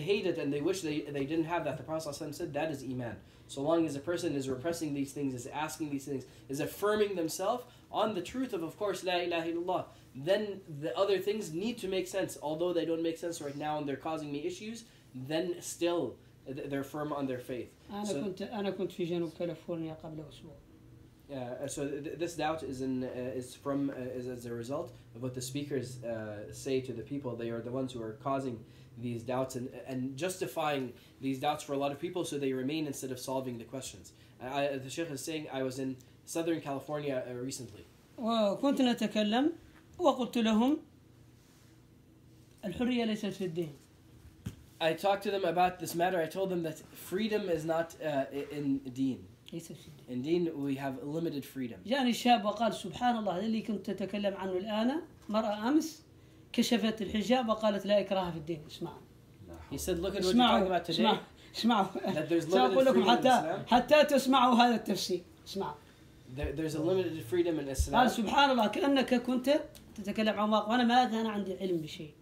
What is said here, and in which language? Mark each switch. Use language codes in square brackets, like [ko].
[en] hate it and they wish they didn't have that. The Prophet ﷺ said that is iman. So long as a person is repressing these things, is asking these things, is affirming themselves on the truth of course, la ilaha illallah, then the other things need to make sense. Although they don't make sense right now and they're causing me issues, then still they're firm on their faith. [ar] أنا كنت في جنوب كاليفورنيا قبل أسبوع. [en] This doubt is a result of what the speakers say to the people. They are the ones who are causing these doubts and justifying these doubts for a lot of people, so they remain instead of solving the questions. The sheikh is saying I was in Southern California recently. [ar] وكنت نتكلم وقلت لهم الحرية ليست في الدين. [en] I talked to them about this matter. I told them that freedom is not in deen. In deen, we have limited freedom. [ar] جاني الشاب وقال سبحان الله اللي كنت تتكلم عنه الآن مرأة أمس كشفت الحجاب وقالت لا إكراه في الدين. اسمع. [en] He said, look at what you're talking about today. [ar] اسمعوا. [en] That there's limited freedom in Islam. [ar] حتى تسمعوا هذا التفسير. اسمع. [en] There's a limited freedom in Islam. [ar] قال سبحان الله كأنك كنت تتكلم عن واقع وأنا ماذا أنا عندي علم بشيء.